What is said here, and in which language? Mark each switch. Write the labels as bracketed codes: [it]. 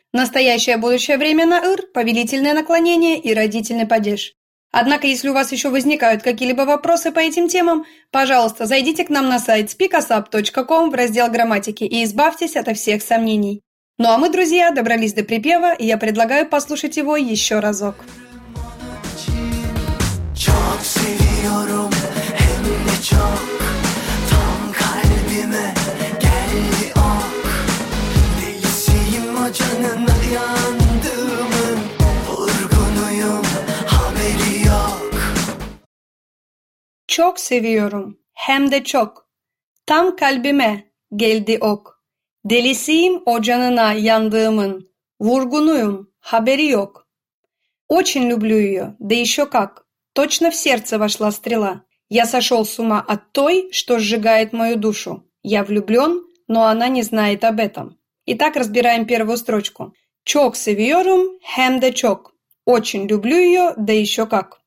[ru] Настоящее будущее время на «ыр», повелительное наклонение и родительный падеж. Однако, если у вас еще возникают какие-либо вопросы по этим темам, пожалуйста, зайдите к нам на сайт speakasap.com в раздел «Грамматики» и избавьтесь от всех сомнений. Ну а мы, друзья, добрались до припева, и я предлагаю послушать его еще разок. [tr] Çok seviyorum hem de çok Tam kalbime geldi ok Delisiyim o canına yandığımın Vurgunuyum haberi yok Çok çok seviyorum. Hem de çok. Tam kalbime geldi ok. Delisiyim o canına yandığımın. Vurgunuyum, haberi yok. [ru] Очень люблю ее, да еще как. Точно в сердце вошла стрела. Я сошел с ума от той, что сжигает мою душу. Я влюблен, но она не знает об этом. Итак, разбираем первую строчку. [tr] Чок севиорум, хэм де чок. [ru] Очень люблю ее, да еще как.